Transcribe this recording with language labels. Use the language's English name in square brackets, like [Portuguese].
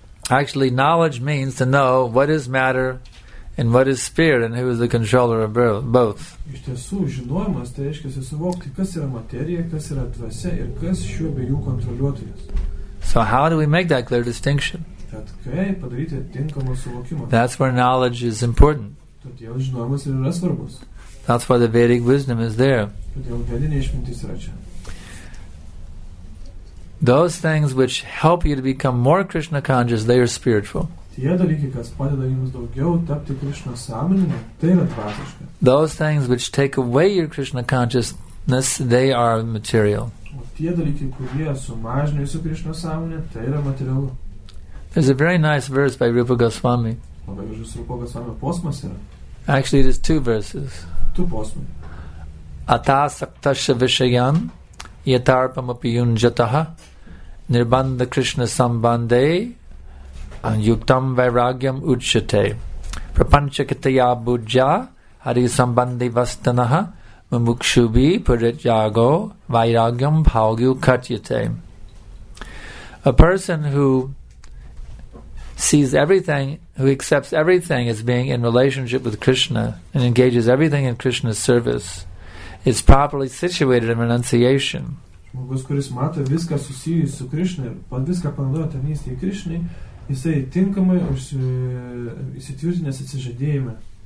[English] Actually, knowledge means to know what is matter, and what is spirit, and who is the controller of both? [Lithuanian] Iš tiesų, žinojimas tai reiškia suvokti, kas yra materija, kas yra dvasia ir kas šiuo bejų kontroliuotojas. [English] So how do we make that clear distinction? [Lithuanian] Tad kaip padaryti tinkamą suvokimą? [English] That's where knowledge is important. [Lithuanian] Todėl žinojimas yra svarbus. [English] That's why the Vedic wisdom is there. [Lithuanian] Todėl vedinė išmintis yra čia. [English] Those things which help you to become more Krishna conscious, they are spiritual. [Lithuanian] Tie dalykai, kas padeda jums daugiau tapti Krishna sąmoningu, tai yra dvasiška. [English] Those things which take away your Krishna consciousness, they are material. [Lithuanian] O tie dalykai, kurie sumažina jūsų Krishna sąmonę, tai yra materialu. [English] There's a very nice verse by Rupa Goswami. [Lithuanian] Labai gražus Rupa Goswami posmas yra. [English] Actually, it is two verses. [Lithuanian] Tu posmai. [Sanskrit] Atasaktasya vishayan yatarpam api yunjataha nirbandha Krishna sambande yuktam vairagyam uchate prapanchakitaya bujja hari sambandhi vastanaha mumukshubi puritjago vairagyam bhagyu katyate. [English] A person who sees everything, who accepts everything as being in relationship with Krishna and engages everything in Krishna's service is properly situated in renunciation. [Lithuanian] Žmogus, kuris mato viską susijus su Krishna ir viską panaudoja tarnystėje Krishnai, jisai tinkamai įsitvirtinęs atsižadėjime.